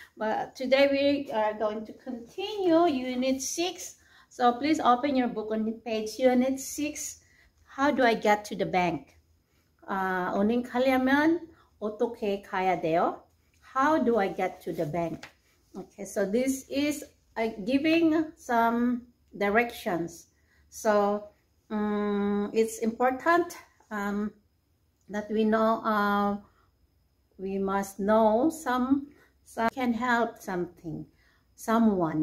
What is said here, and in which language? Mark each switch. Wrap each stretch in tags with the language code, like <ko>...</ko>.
<en>But today we are going to continue Unit 6. So please open your book on page Unit 6. How do I get to the bank?</en> <ko>은행 가려면 어떻게 가야 돼요?</ko> <en>How do I get to the bank? Okay, so this is giving some directions, so it's important that we know we must know some can help something, someone.</en>